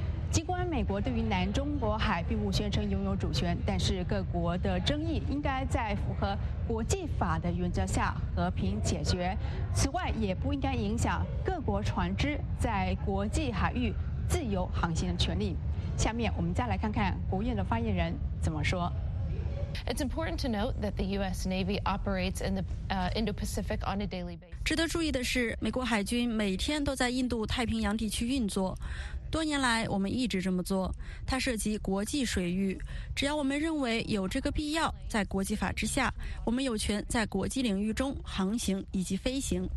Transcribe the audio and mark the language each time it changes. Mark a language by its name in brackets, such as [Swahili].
[Chinese] 尽管美国对于南中国海并不宣称拥有主权，但是各国的争议应该在符合国际法的原则下和平解决。此外，也不应该影响各国船只在国际海域自由航行的权利。下面我们再来看看国务院的发言人怎么说。 [English] It's important to note that the U.S. Navy operates in the Indo-Pacific on a daily basis. [Chinese] 值得注意的是，美国海军每天都在印度太平洋地区运作。多年来，我们一直这么做。它涉及国际水域，只要我们认为有这个必要，在国际法之下，我们有权在国际领域中航行以及飞行。